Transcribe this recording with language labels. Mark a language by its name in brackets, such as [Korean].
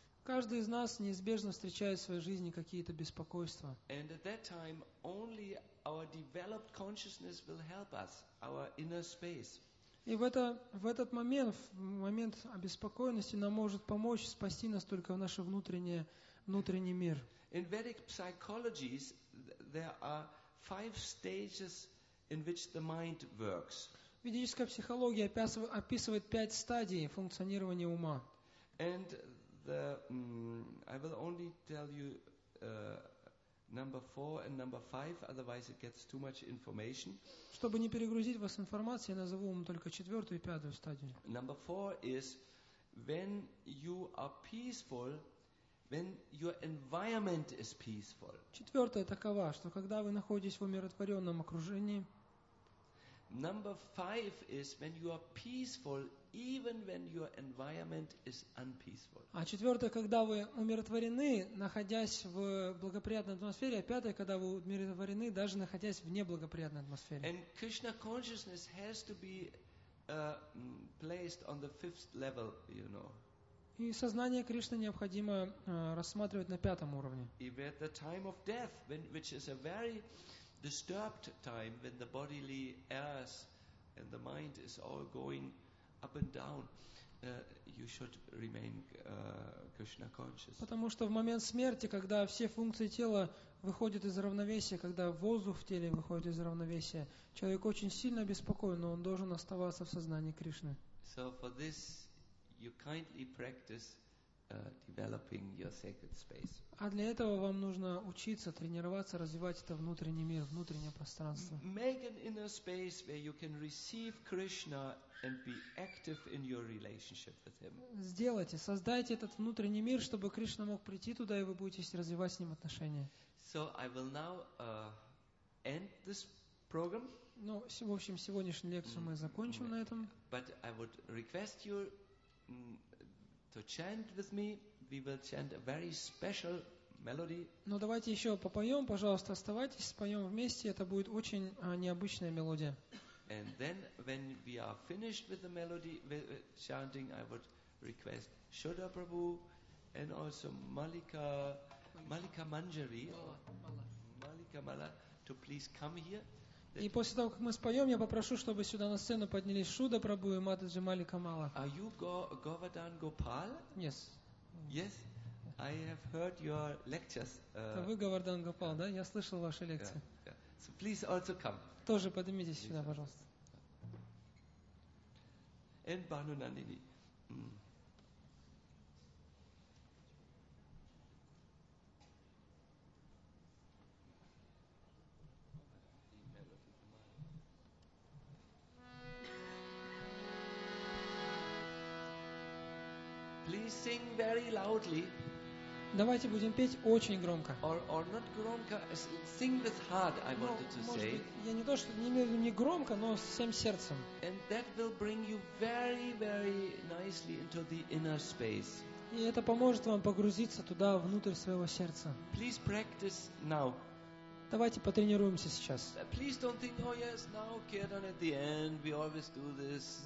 [Russian] Каждый из нас неизбежно встречает в своей жизни какие-то беспокойства. [English] And at that time, only our developed consciousness will help us, our inner space. [Russian] И в этот момент, в момент обеспокоенности, нам может помочь спасти нас только в наш внутренний мир. [English] In Vedic psychologies, there are five stages in which the mind works. [Russian] Ведическая психология описывает пять стадий функционирования ума. [English] And I will only tell you number four and number five, otherwise it gets too much information. [Russian] Чтобы не перегрузить вас информацией, я назову вам только четвертую и пятую стадию. [English] Number four is when you are peaceful, when your environment is peaceful. [Russian] Четвертая такова, что когда вы находитесь в умиротворенном окружении. [English] Number five is when you are peaceful, even when your environment is unpeaceful. [Russian] А четвертое, когда вы умиротворены, находясь в благоприятной атмосфере, а пятое, когда вы умиротворены, даже находясь в неблагоприятной атмосфере. [English] And Krishna consciousness has to be placed on the fifth level, you know. [Russian] И сознание Кришны необходимо рассматривать на пятом уровне. [English] If at the time of death, which is a very disturbed time when the bodily airs and the mind is all going up and down, you should remain Krishna conscious. [Russian] Потому что в момент смерти, когда все функции тела выходят из равновесия, когда воздух в теле выходит из равновесия, человек очень сильно беспокоен, но он должен оставаться в сознании Кришны. [English] So for this, you kindly practice developing your sacred space. [Russian] А для этого вам нужно учиться, тренироваться, развивать это внутренний мир, внутреннее пространство. [English] Make an inner space where you can receive Krishna and be active in your relationship with him. [Russian] Сделайте, создайте этот внутренний мир, чтобы Кришна мог прийти туда, и вы будете развивать с ним отношения. [English] So I will now end this program. [Russian] Ну, в общем, сегодняшнюю лекцию мы закончим на этом. [English] But I would request you to chant with me. We will chant a very special melody. [Russian] Но давайте еще попоем, пожалуйста, оставайтесь, споем вместе. Это будет очень необычная мелодия. [English] And then, when we are finished with the melody, with chanting, I would request Shuddha Prabhu and also Malika Manjari, Malika Mala, to please come here. [Russian] И после того, как мы споем, я попрошу, чтобы сюда на сцену поднялись Шуда Прабу и Матаджи Мали Камала. [English] Are you Govardhan Gopal? Yes. Yes, I have heard your lectures. [Russian] Это вы Говардан Гопал, да? Я слышал ваши лекции. [English] Yeah. So please also come. [Russian] Тоже поднимитесь сюда, пожалуйста. [English] And Bhanu Nandini. Thank you. Please sing very loudly. [Russian] Давайте будем петь очень громко. [English] Or not [Russian] громко, [English] sing with heart, I wanted to say. [Russian] Я не то, что не имею в виду не громко, но всем сердцем. [English] And that will bring you very, very nicely into the inner space. [Russian] И это поможет вам погрузиться туда, внутрь своего сердца. [English] Please practice now. [Russian] Давайте потренируемся сейчас. [English] Please don't think, oh yes, now kirtan at the end, we always do this.